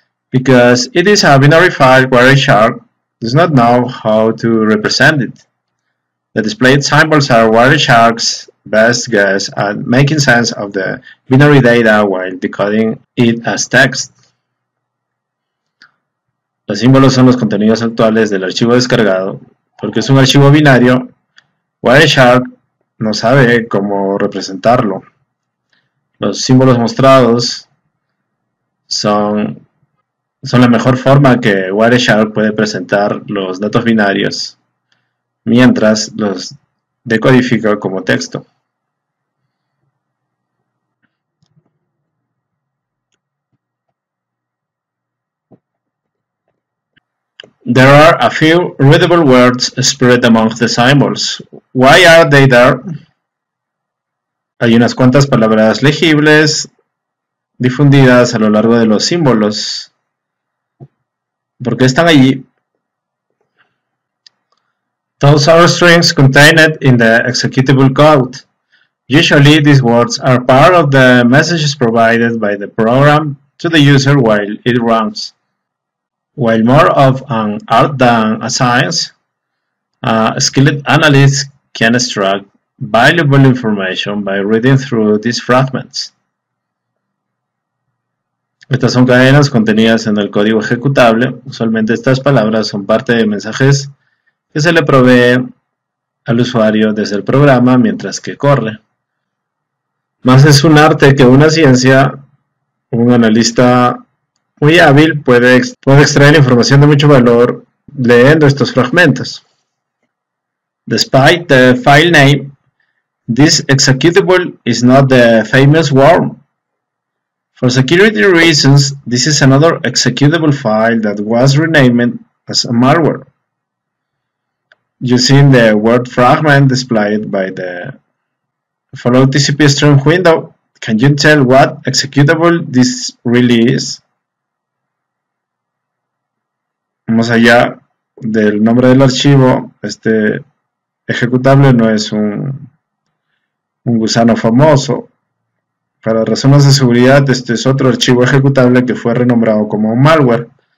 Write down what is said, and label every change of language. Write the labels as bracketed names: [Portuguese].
[English] Because it is a binary file, Wireshark does not know how to represent it. The displayed symbols are Wireshark's best guess at making sense of the binary data while decoding it as text. [Spanish] Los símbolos son los contenidos actuales del archivo descargado. Porque es un archivo binario, Wireshark no sabe cómo representarlo. Los símbolos mostrados son la mejor forma que Wireshark puede presentar los datos binarios mientras los decodifica como texto. [English] There are a few readable words spread among the symbols. Why are they there? [Spanish] Hay unas cuantas palabras legibles difundidas a lo largo de los símbolos. Porque están allí. [English] Those are strings contained in the executable code. Usually these words are part of the messages provided by the program to the user while it runs. While more of an art than a science, a skilled analyst can extract valuable information by reading through these fragments. [Spanish] Estas son cadenas contenidas en el código ejecutable. Usualmente estas palabras son parte de mensajes que se le provee al usuario desde el programa mientras que corre. Más es un arte que una ciencia. Un analista muy hábil puede extraer información de mucho valor leyendo estos fragmentos. [English] Despite the file name, this executable is not the famous worm. For security reasons, this is another executable file that was renamed as a malware. Using the word fragment displayed by the follow TCP stream window, can you tell what executable this really is? [Spanish] Más allá del nombre del archivo, este ejecutable no es un gusano famoso. Para razones de seguridad, este es otro archivo ejecutable que fue renombrado como un malware.